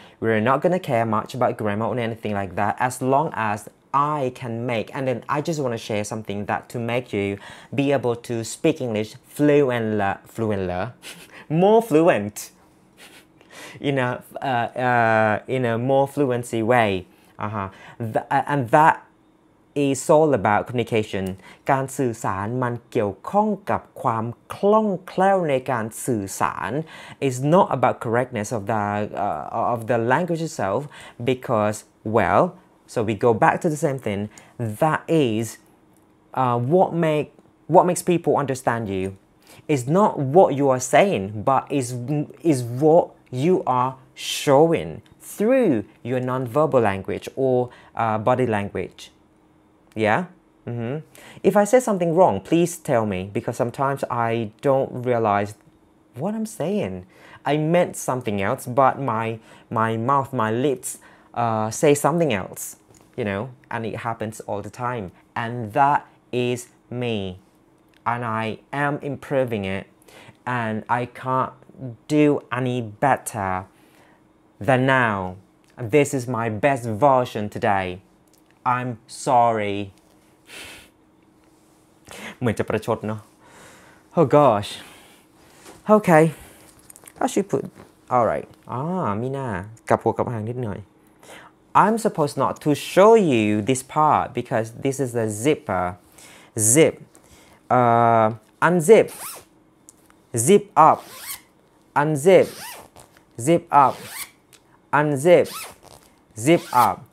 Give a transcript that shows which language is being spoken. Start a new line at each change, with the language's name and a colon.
English: We're not gonna care much about grammar or anything like that, as long as I can make, and then I just want to share something that to make you be able to speak English fluently, more fluent, in a more fluency way. Uh-huh. And that is all about communication.
Thai: การสื่อสารมันเกี่ยวข้องกับความคล่องแคล่วในการสื่อสาร.
English: It's not about correctness of the language itself, because, well, so we go back to the same thing. That is what makes people understand you. It's not what you are saying, but is what you are showing through your nonverbal language or body language. Yeah? Mm-hmm. If I say something wrong, please tell me, because sometimes I don't realize what I'm saying. I meant something else, but my mouth, my lips say something else, you know, and it happens all the time. And that is me. And I am improving it. And I can't do any better than now. This is my best version today. I'm sorry.
Thai: เหมือนจะประชดเนาะ
English: Oh gosh. Okay. How should put? Alright.
Thai: มีหน้ากับหัวกับหางนิดหน่อย
English: I'm supposed not to show you this part because this is a zipper. Zip. Unzip. Zip up. Unzip. Zip up. Unzip. Zip up.